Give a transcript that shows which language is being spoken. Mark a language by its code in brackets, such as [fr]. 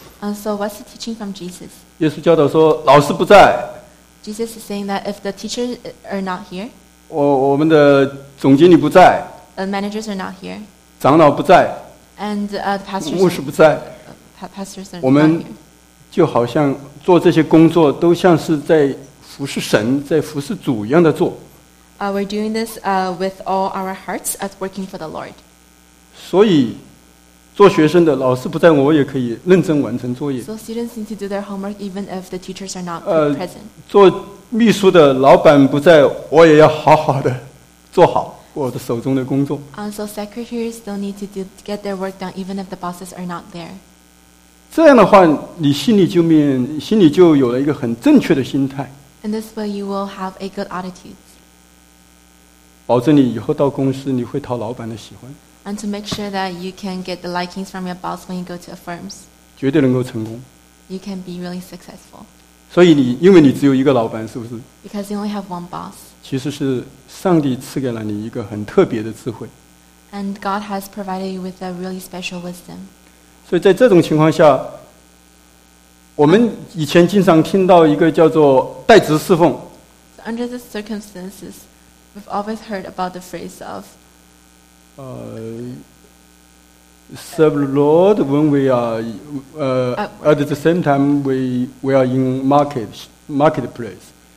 [en] So what's the teaching from Jesus? [zh] 耶稣教导说老师不在。 [en] Jesus is saying that if the teachers are not here, [zh] 我们的总经理不在。 [en] The managers are not here. [zh] 长老不在。 [en] And the pastors, [zh] 牧师不在。 [en] Pastors are not. [zh] 我们就好像做这些工作都像是在服侍神，在服侍主一样的做。 [en] We're doing this with all our hearts as working for the Lord. [zh] 所以做学生的老师不在我也可以认真完成作业。 [en] So students need to do their homework even if the teachers are not present. [zh] 做秘书的老板不在我也要好好的做好我的手中的工作。 [en] So secretaries don't need to get their work done even if the bosses are not there. [zh] 这样的话你心里就有了一个很正确的心态。 [en] In this way you will have a good attitude. [zh] 保证你以后到公司你会讨老板的喜欢。 [en] And to make sure that you can get the likings from your boss when you go to a firms. [zh] 绝对能够成功。 [en] You can be really successful. [zh] 所以你因为你只有一个老板是不是 [en] Because you only have one boss. [zh] 其实是上帝赐给了你一个很特别的智慧。 [en] And God has provided you with a really special wisdom. [zh] 所以在这种情况下我们以前经常听到一个叫做代职侍奉。 [en] So under the circumstances, we've always heard about the phrase of serve the Lord when we are at the same time we are in marketplace.